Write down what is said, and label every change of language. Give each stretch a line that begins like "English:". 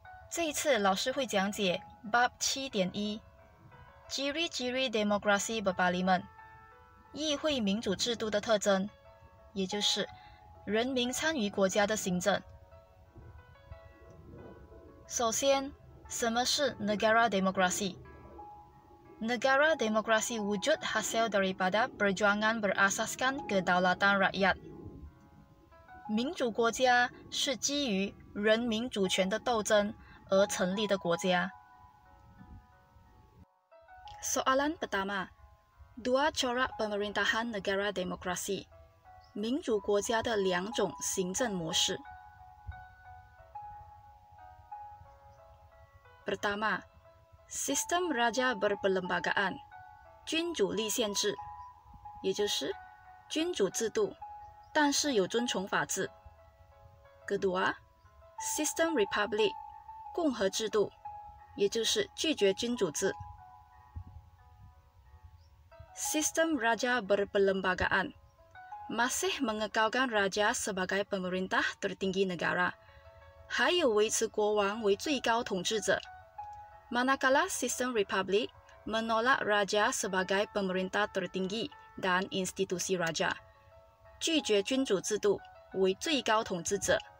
Chinese: 这一次老师会讲解
Malay: bab 7.1Ciri-ciri demokrasi berparlimen
Chinese: 议会民主制度的特征，也就是人民参与国家的行政。首先，什么是
Malay: negara demokrasi？ Negara demokrasi wujud hasil daripada perjuangan berasaskan kedaulatan rakyat。
Chinese: 民主国家是基于人民主权的斗争而成立的国家。
Malay: Soalan pertama, dua corak pemerintahan negara demokrasi,
Chinese: 民主国家的两种行政模式。
Malay: Pertama, sistem raja berperlembagaan,
Chinese: 君主立宪制，也就是君主制度，但是有遵从法治。
Malay: Kedua, sistem republik,
Chinese: 共和制度，也就是拒绝君主制。
Malay: Sistem Raja Berperlembagaan masih mengekalkan Raja sebagai pemerintah tertinggi negara,
Chinese: 还有维持国王为最高统治者。
Malay: Manakala Sistem Republik menolak Raja sebagai pemerintah tertinggi dan institusi Raja,
Chinese: 拒绝君主制度为最高统治者。